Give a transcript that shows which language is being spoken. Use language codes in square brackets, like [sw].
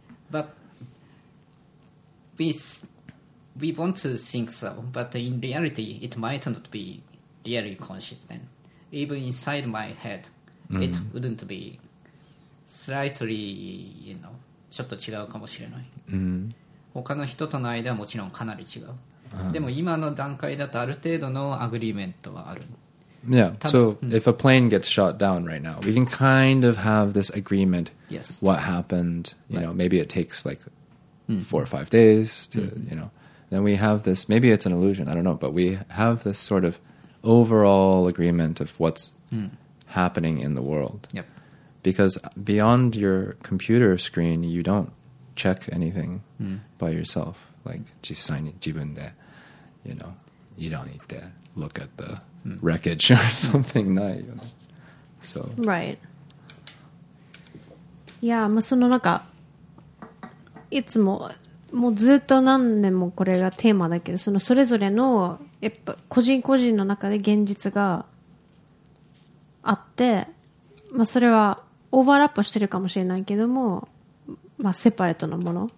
[en] But we want to think so, but in reality, it might not be really consistent. Even inside my head, it wouldn't be slightly, you know, [ja] ちょっと違うかもしれない。他の人との間はもちろんかなり違う。でも今の段階だとある程度のアグリーメントはある。 [en] Yeah, so if a plane gets shot down right now, we can kind of have this agreement what happened, you know, maybe it takes like 4 or 5 days to, you know, then we have this, maybe it's an illusion, I don't know, but we have this sort of overall agreement of what's happening in the world. Because beyond your computer screen, you don't check anything by yourself. Like, [ja] 実際に自分で, [en] you know, you don't need to look at the wreckage or something. ない, you know? So. Right. [ja] Yeah, まあそのなんか、いつも、もうずっと何年もこれがテーマだけど、そのそれぞれの、やっぱ個人個人の中で現実があって、まあ、それはオーバーラップしてるかもしれないけども、まあ、セパレートなもの、